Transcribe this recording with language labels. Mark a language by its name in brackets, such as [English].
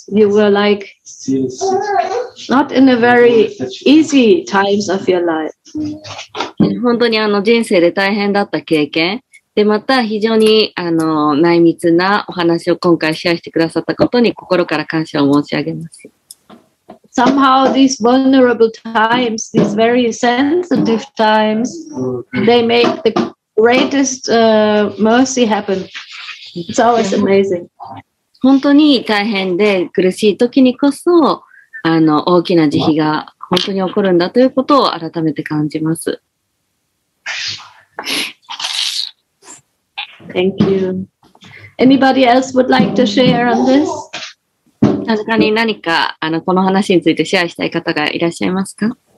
[English] You were like not in a very easy times of your life. [Japanese] 本当に人生で大変だった経験でまた非常に内密なお話を今回シェアしてくださったことに心から感謝を申し上げます。 [English] Somehow these vulnerable times, these very sensitive times, they make the greatest mercy happen. It's always amazing. [Japanese] 本当に大変で苦しい時にこそ大きな慈悲が本当に起こるんだということを改めて感じます。 [English] Thank you. Anybody else would like to share on this? [Japanese] 確かに何かこの話についてシェアしたい方がいらっしゃいますか？